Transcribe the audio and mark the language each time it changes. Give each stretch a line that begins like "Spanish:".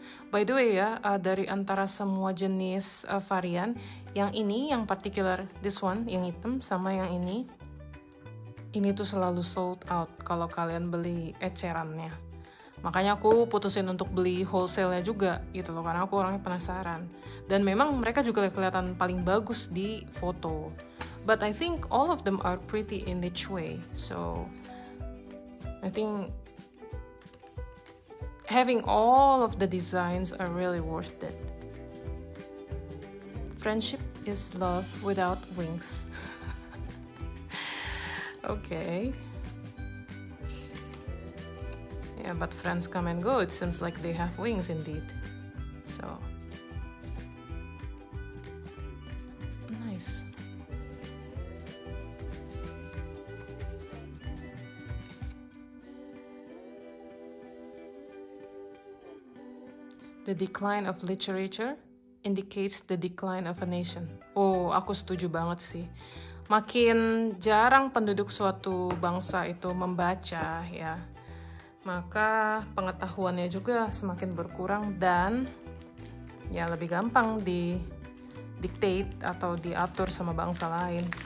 Indonesian: By the way ya, dari antara semua jenis varian, yang ini, yang particular,
English: this one,
Indonesian: yang hitam, sama yang ini, ini tuh selalu sold out kalau kalian beli ecerannya. Makanya aku putusin untuk beli wholesale-nya juga gitu loh, karena aku orangnya penasaran. Dan memang mereka juga kelihatan paling bagus di foto.
English: But I think all of them are pretty in each way. So I think having all of the designs are really worth it. Friendship is love without wings. Okay. Yeah, but friends come and go. It seems like they have wings indeed. So nice. The decline of literature indicates the decline of a nation.
Indonesian: Oh, aku setuju banget sih. Makin jarang penduduk suatu bangsa itu membaca, ya, maka pengetahuannya juga semakin berkurang dan ya lebih gampang di dictate atau diatur sama bangsa lain.